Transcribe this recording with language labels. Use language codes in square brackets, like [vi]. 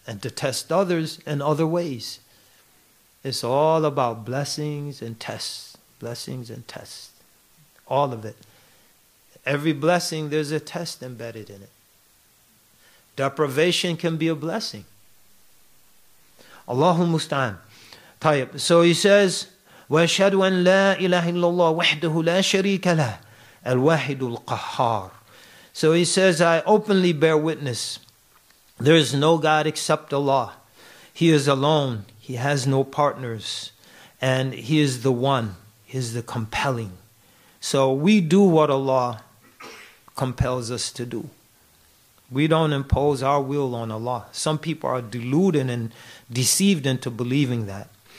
[en] And to test others in other ways. It's all about blessings and tests. Blessings and tests. All of it. Every blessing, there's a test embedded in it. Deprivation can be a blessing. [ar] Allahu musta'an. Tayyib. [en] So he says, [ar] وَأَشْهَدُ أَنْ لَا إِلَهَ إِلَّا اللَّهُ وَحْدَهُ لَا شَرِيكَ لَهُ الْوَاحِدُ الْقَهَّارُ [en] So he says, I openly bear witness. There is no God except Allah. He is alone. He has no partners. And He is the one. He is the compelling. So we do what Allah compels us to do. We don't impose our will on Allah. Some people are deluded and deceived into believing that.